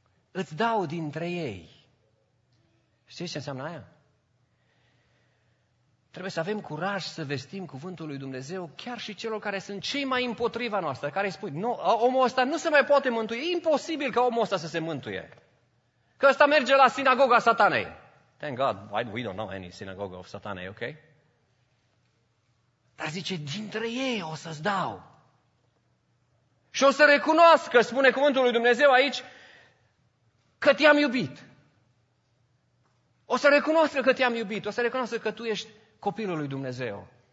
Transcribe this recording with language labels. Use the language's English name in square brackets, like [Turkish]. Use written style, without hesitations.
[Romanian] Îți dau dintre ei. Știi ce înseamnă aia? Trebuie să avem curaj să vestim cuvântul lui Dumnezeu chiar și celor care sunt cei mai împotriva noastră, care îi spui, nu, omul ăsta nu se mai poate mântui. E imposibil ca omul ăsta să se mântuie. Că ăsta merge la sinagoga Satanei. [English] Thank God, we don't know any synagogue of Satanei, ok? [Romanian] Dar zice, dintre ei o să-ți dau. Și o să recunoască, spune cuvântul lui Dumnezeu aici, că te-am iubit. O să recunoască că te-am iubit, o să recunoască că tu ești copilul lui Dumnezeu.